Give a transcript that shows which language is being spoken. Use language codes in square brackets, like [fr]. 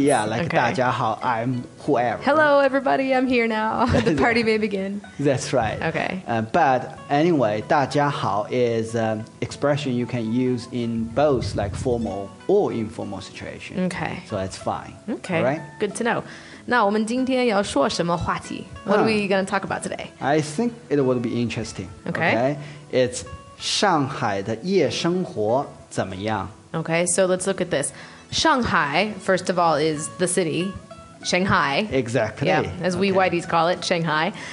[en] Yeah, like, [zh] 大家好, [en] I'm whoever. Hello, everybody, I'm here now. The party may begin. That's right. Okay. But anyway, 大家好 is an expression you can use in both like formal or informal situation. Okay. So that's fine. Okay. All right? Good to know. [zh] 那我们今天要说什么话题? [en] What are we going to talk about today? I think it will be interesting. Okay. Okay? It's... [zh] 上海的夜生活怎么样? [en] Okay, so let's look at this. Shanghai, first of all, is the city, Shanghai. Exactly. Yeah, as we whiteys call it, Shanghai.